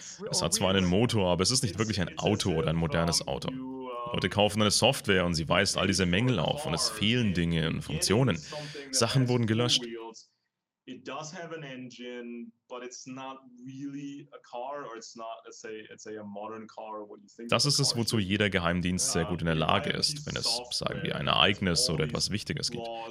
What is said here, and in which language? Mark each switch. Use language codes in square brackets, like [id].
[de] Es hat zwar einen Motor, aber es ist nicht wirklich ein Auto oder ein modernes Auto. Leute kaufen eine Software und sie weist all diese Mängel auf und es fehlen Dinge und Funktionen. Sachen wurden gelöscht. [en] It does have an engine, but it's not really a car, or it's not, let's say, a modern car. What you think? [de] Das ist es, wozu jeder Geheimdienst sehr gut in der Lage ist, wenn es, sagen wir, ein Ereignis oder etwas Wichtiges gibt.